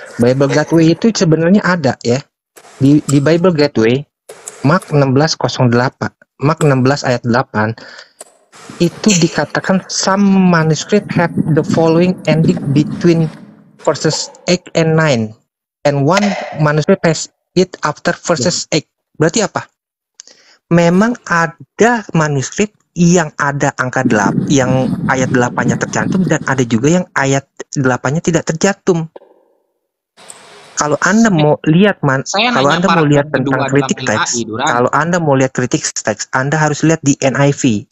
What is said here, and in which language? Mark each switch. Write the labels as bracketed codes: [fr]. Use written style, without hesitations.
[id] Bible Gateway itu sebenarnya ada ya. Di Bible Gateway Mark 16:08. Mark 16 ayat 8 itu dikatakan [en] some manuscript have the following ending between verses 8 and 9 and one manuscript has it after verses 8. [id] Berarti apa? Memang ada manuskrip yang ada angka 8 yang ayat 8-nya tercantum dan ada juga yang ayat 8-nya tidak tercantum. Kalau Anda mau lihat kalau Anda mau lihat tentang kritik teks, kalau Anda mau lihat kritik teks, Anda harus lihat di NIV.